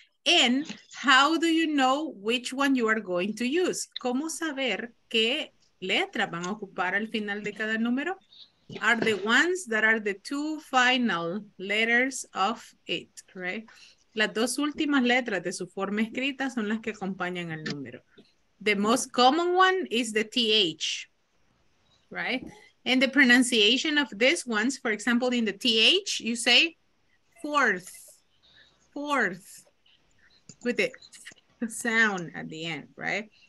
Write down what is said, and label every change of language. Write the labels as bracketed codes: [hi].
[en] And how do you know which one you are going to use? [es] ¿Cómo saber qué letra van a ocupar al final de cada número? [en] Are the ones that are the two final letters of it, right? [es] Las dos últimas letras de su forma escrita son las que acompañan al número. [en] The most common one is the TH. Right? And the pronunciation of these ones, for example, in the TH, you say fourth, fourth, with the sound at the end, right?